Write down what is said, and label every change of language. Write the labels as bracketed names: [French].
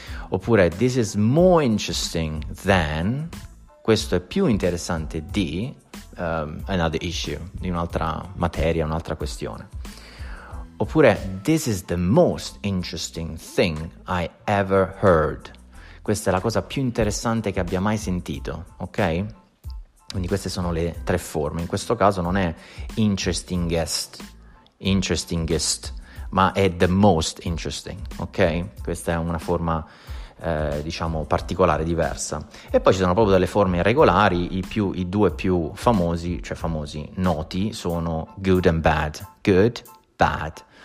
[English] Oppure this is more interesting than. [Italian] Questo è più interessante di [English] another issue, [Italian] di un'altra materia, un'altra questione. [English] Oppure this is the most interesting thing I ever heard. [Italian] Questa è la cosa più interessante che abbia mai sentito, ok? Quindi queste sono le tre forme. In questo caso non è interestingest, ma è the most interesting, ok? Questa è una forma diciamo particolare, diversa. E poi ci sono proprio delle forme irregolari, i due più famosi noti sono good and bad, good, bad.